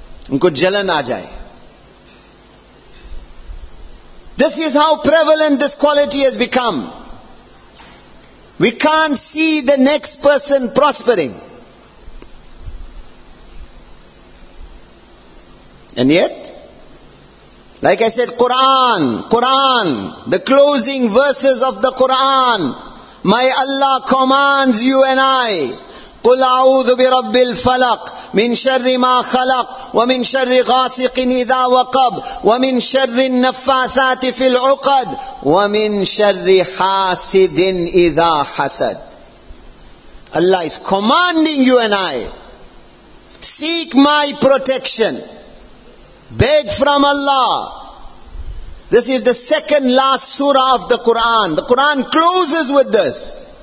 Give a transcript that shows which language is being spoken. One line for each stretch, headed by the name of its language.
Urdu: Unko jalan aa jaye.
English: This is how prevalent this quality has become. We can't see the next person prospering. And yet, like I said, Quran, the closing verses of the Quran, my Allah commands you and I,
Arabic: قُلْ أَعُوذُ بِرَبِّ الْفَلَقِ مِنْ شَرِّ مَا خَلَقَ وَمِنْ شَرِّ غَاسِقٍ إِذَا وَقَبَ وَمِنْ شَرِّ النَّفَّاثَاتِ فِي الْعُقَدِ وَمِنْ شَرِّ حَاسِدٍ إِذَا حَسَدَ.
English: Allah is commanding you and I, seek my protection, beg from Allah. This is the second last surah of the Quran. The Quran closes with this.